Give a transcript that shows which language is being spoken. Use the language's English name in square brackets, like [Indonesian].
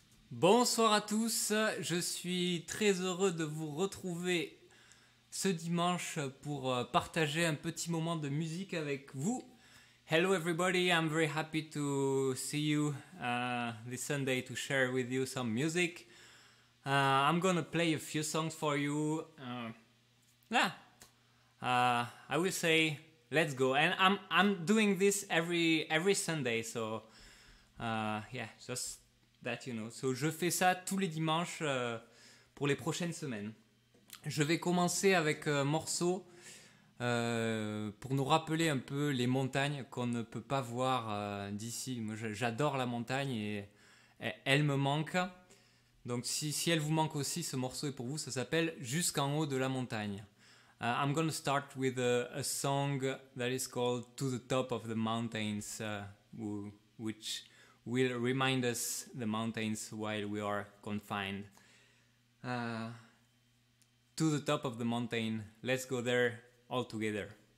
[French] Bonsoir à tous, je suis très heureux de vous retrouver ce dimanche pour partager un petit moment de musique avec vous. [English] Hello everybody, I'm very happy to see you this Sunday to share with you some music. I'm gonna play a few songs for you. I will say let's go, and I'm doing this every Sunday, so just that you know. [French] So je fais ça tous les dimanches pour les prochaines semaines. Je vais commencer avec un morceau pour nous rappeler un peu les montagnes qu'on ne peut pas voir d'ici. Moi, j'adore la montagne et elle me manque. Donc si elle vous manque aussi, ce morceau est pour vous. Ça s'appelle Jusqu'en haut de la montagne. [English] I'm gonna start with a song that is called To the Top of the Mountains, which will remind us the mountains while we are confined. To the top of the mountain, let's go there all together.